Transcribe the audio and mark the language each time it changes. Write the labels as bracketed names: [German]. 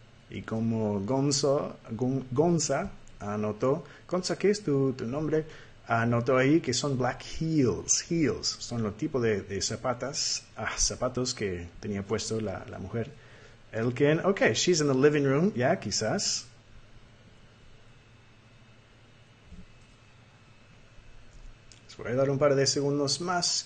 [Spanish] Y como Gonza anotó, Gonza, ¿qué es tu nombre? Anotó ahí que son black heels. Son los tipos de zapatos que tenía puesto la mujer. [English] Elkin, ok, she's in the living room, ya, yeah, [Spanish] quizás. Les voy a dar un par de segundos más.